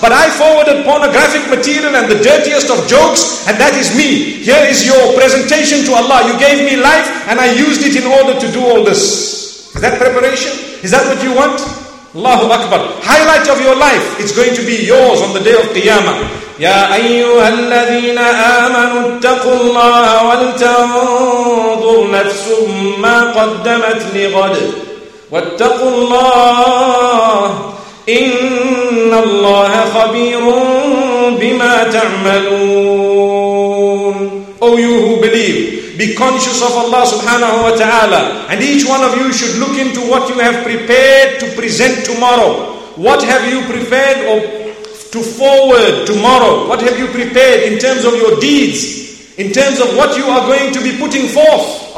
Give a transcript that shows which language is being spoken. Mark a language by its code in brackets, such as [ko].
[en] But I forwarded pornographic material and the dirtiest of jokes. And that is me. Here is your presentation to Allah. You gave me life and I used it in order to do all this. Is that preparation? Is that what you want? Allahu Akbar. Highlight of your life. It's going to be yours on the day of Qiyamah. [ar] يا أيها الذين آمنوا اتقوا الله ولتنظر نفس ما قدمت لغد واتقوا الله إن الله خبير بما تعملون. [en] Oh you who believe, be conscious of Allah subhanahu wa ta'ala, and each one of you should look into what you have prepared to present tomorrow. What have you prepared to forward tomorrow? What have you prepared in terms of your deeds? In terms of what you are going to be putting forth?